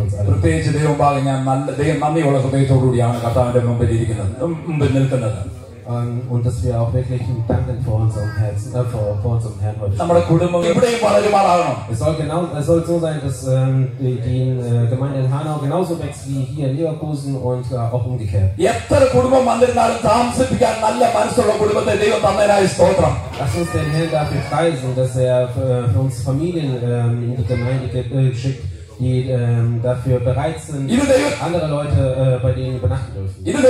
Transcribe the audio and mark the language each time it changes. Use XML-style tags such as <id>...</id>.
<ml>പ്രത്യേകിച്ച് ദൈവം ഭാഗം ഞാൻ നല്ല ദൈവം നന്ദിയുള്ള ഹൃദയത്തോടു കൂടിയാണ് കർത്താവിന്റെ മുമ്പിൽ ഇരിക്കുന്നത്, മുമ്പിൽ നിൽക്കുന്നത്.</ml> <de>und dass wir auch wirklich danken vor unserem Herzen, vor unserem Herrn heute.</de> <ml>നമ്മുടെ കുടുംബം എവിടെയും വളരുമാറാകണം.</ml> <de>Es soll genau, es soll so sein, dass die Gemeinde in Hanau genauso wächst wie hier in Leverkusen und auch umgekehrt.</de> <ml>എത്ര കുടുംബം വന്നിരുന്നാലും താമസിപ്പിക്കാൻ നല്ല മനസ്സുള്ള കുടുംബത്തെ ദൈവം തന്നതിനായി സ്തോത്രം.</ml> <de>Lass uns den Herrn dafür preisen, dass für uns Familien in die Gemeinde geschickt, die dafür bereit sind, andere Leute bei denen übernachten dürfen.</de>